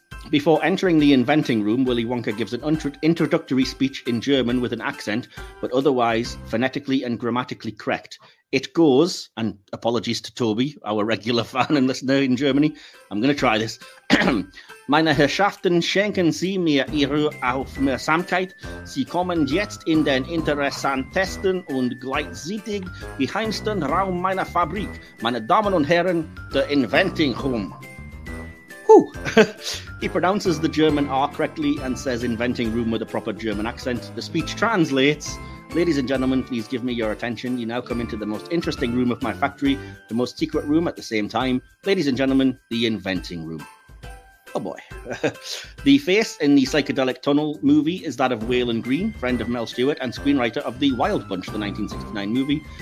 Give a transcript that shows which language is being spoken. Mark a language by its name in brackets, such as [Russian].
[English] Before entering the inventing room, Willy Wonka gives an introductory speech in German with an accent, but otherwise phonetically and grammatically correct. It goes, and apologies to Toby, our regular fan and listener in Germany, I'm going to try this. [German] Meine Herrschaften schenken Sie mir Ihre Aufmerksamkeit. Sie kommen jetzt in den interessantesten und gleichzeitig geheimsten Raum meiner Fabrik. Meine Damen und Herren, der Inventing Room. [English] He pronounces the German R correctly and says inventing room with a proper German accent. The speech translates, ladies and gentlemen, please give me your attention. You now come into the most interesting room of my factory, the most secret room at the same time. Ladies and gentlemen, the inventing room. Oh boy. The face in the psychedelic tunnel movie is that of Waylon Green, friend of Mel Stewart and screenwriter of The Wild Bunch, the 1969 movie.